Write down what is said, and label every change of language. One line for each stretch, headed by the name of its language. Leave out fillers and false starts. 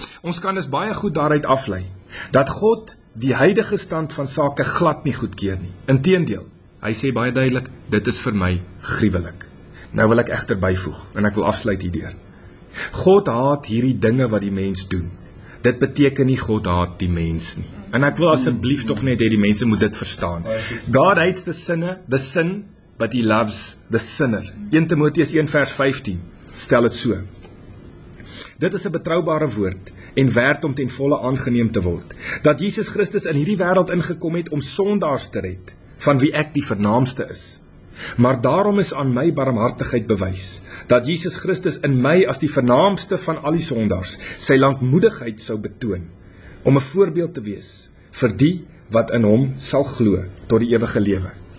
Afrikaans: Ons kan dus baie goed daaruit aflei dat God die huidige stand van sake glad nie goedkeur nie. Inteendeel, hy sê baie duidelik, dit is vir my gruwelik. Nou wil ek egter byvoeg en ek wil afsluit hierdeur. God haat hierdie dinge wat die mens doen. Dit beteken nie God haat die mens nie. En ek wil asseblief tog net hê die mense moet dit verstaan.
English: God hates the sinner, the sin, but he loves the sinner.
Afrikaans: 1 Timoteus 1 vers 15 stel dit so. Dit is 'n betroubare woord en werd om ten volle aangeneem te word, dat Jesus Christus in hierdie wêreld ingekom het om sondaars te red, van wie ek die vernaamste is. Maar daarom is aan my barmhartigheid bewys, dat Jesus Christus in my as die vernaamste van al die sondaars sy lankmoedigheid sou betoon, om 'n voorbeeld te wees vir die wat in hom sal glo tot die ewige lewe.